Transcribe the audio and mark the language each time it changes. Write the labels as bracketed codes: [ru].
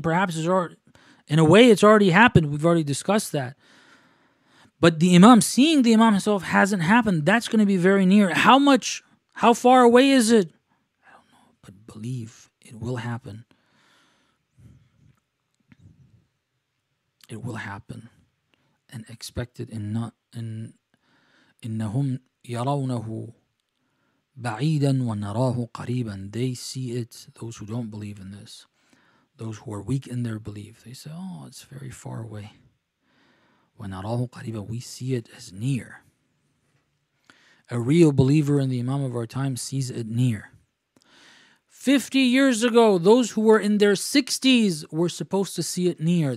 [en] Perhaps it's already, in a way, it's already happened. We've already discussed that. But the Imam, seeing the Imam himself hasn't happened, that's going to be very near. How far away is it? But believe, it will happen. It will happen. And expect it [ar] إِنَّهُمْ يَرَوْنَهُ بَعِيدًا وَنَرَاهُ قَرِيبًا. [en] They see it, those who don't believe in this. Those who are weak in their belief. They say, oh, it's very far away. [ar] وَنَرَاهُ قَرِيبًا. [en] We see it as near. A real believer in the Imam of our time sees it near. 50 years ago, those who were in their 60s were supposed to see it near.